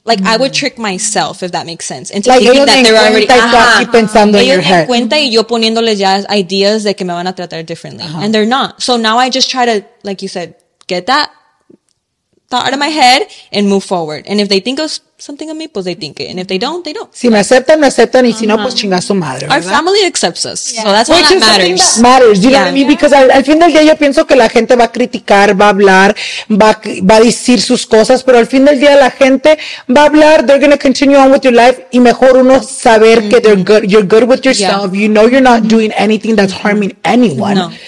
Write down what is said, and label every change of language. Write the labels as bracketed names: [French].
[English] Like I would trick myself, if that makes sense, into like thinking that they're already [Spanish] pensando ellos [English] in your head. [Spanish] Cuenta y yo poniéndoles ya ideas de que me van a tratar [English] differently, and they're not. So now I just try to, like you said, get that thought out of my head and move forward. And if they think of something of me, pues they think it. And if they don't, they don't. [Spanish] Si me aceptan, me aceptan. Y si no, pues chinga su madre, ¿verdad? [English] Our family accepts us. Yeah. So that's what matters. Which that matters. You know what I mean? Because [Spanish] al fin del día, yo pienso que la gente va a criticar, va a hablar, va a decir sus cosas. Pero al fin del día, la gente va a hablar. [English] They're going to continue on with your life. [Spanish] Y mejor uno saber que [English] they're good. You're good with yourself. Yeah. You know you're not doing anything that's harming anyone.